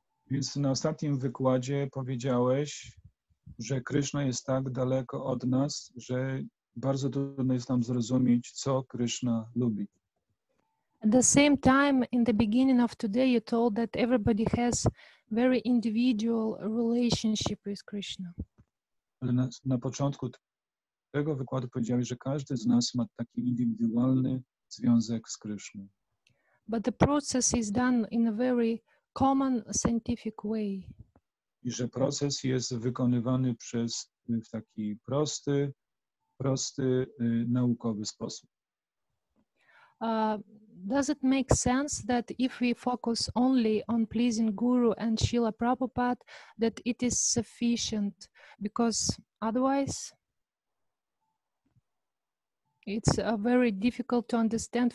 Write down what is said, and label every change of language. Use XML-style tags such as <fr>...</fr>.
<pl>Więc na ostatnim wykładzie powiedziałeś, że Krishna jest tak daleko od nas, że bardzo trudno jest nam zrozumieć, co Krishna lubi.</pl> <en>At the same time, in the beginning of today, you told that everybody has very individual relationship with Krishna.</en> <pl>Ale na początku tego wykładu powiedziałeś, że każdy z nas ma taki indywidualny związek z Krishna.</pl> <en>But the process is done in a very common scientific way.</en> <pl>I że proces jest wykonywany przez w taki prosty naukowy sposób.</pl> <en>Does it make sense that if we focus only on pleasing Guru and Srila Prabhupada, that it is sufficient? Because otherwise, it's very difficult to understand.</en>